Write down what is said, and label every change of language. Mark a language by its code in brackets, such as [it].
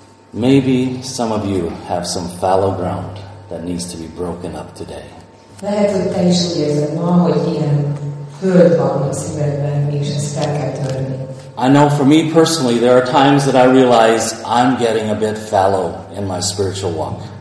[en] Maybe some of you have some fallow ground that needs to be broken up today. [hu] Lehet, hogy te is úgy érzed ma, hogy ilyen föld van a szívedben, és ezt fel kell törni. [en] I know for me personally, there are times that I realize I'm getting a bit fallow in my spiritual walk.